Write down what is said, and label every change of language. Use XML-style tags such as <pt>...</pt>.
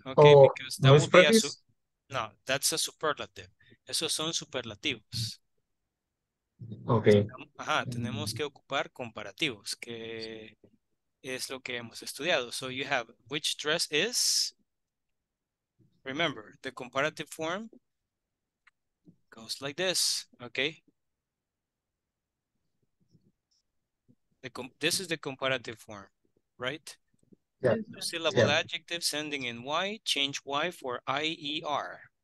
<en>Okay, oh, because that would prettiest? Be a su- No, that's a superlative.</en> <es>Esos son superlativos.</es> <en>Okay.</en> <es>Ajá, tenemos que ocupar comparativos, que es lo que hemos estudiado.</es> <en>So you have, which dress is? Remember, the comparative form goes like this, okay? This is the comparative form, right? Yeah. Two syllable yeah. adjectives ending in Y, change Y for I-E-R.</en>